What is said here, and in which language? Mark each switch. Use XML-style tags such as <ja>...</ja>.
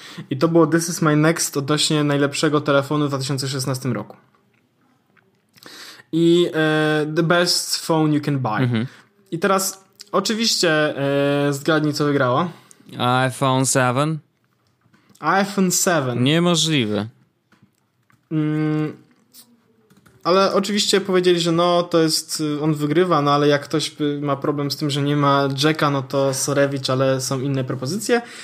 <pl>I to było This Is My Next odnośnie najlepszego telefonu w 2016 roku.</pl> <en>I the best phone you can buy. Mm-hmm.</en> <pl>I teraz oczywiście zgadnij, co wygrało. iPhone 7? iPhone 7. Niemożliwe. Ale oczywiście powiedzieli, że no, to jest, on wygrywa, no ale jak ktoś ma problem z tym, że nie ma jacka, no to sorewicz, ale są inne propozycje.</pl>